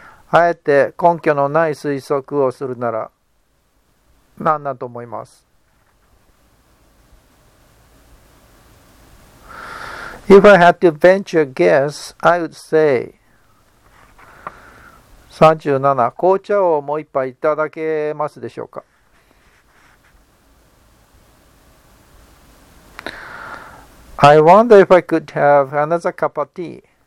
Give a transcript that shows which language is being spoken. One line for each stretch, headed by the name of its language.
Japanese: あえて根拠のない推測をするなら何だと思います?
English: If I had to venture a guess, I would say. 37.
Japanese: 紅茶をもう一杯いただけますでしょうか?
English: I wonder if I could have another cup of tea.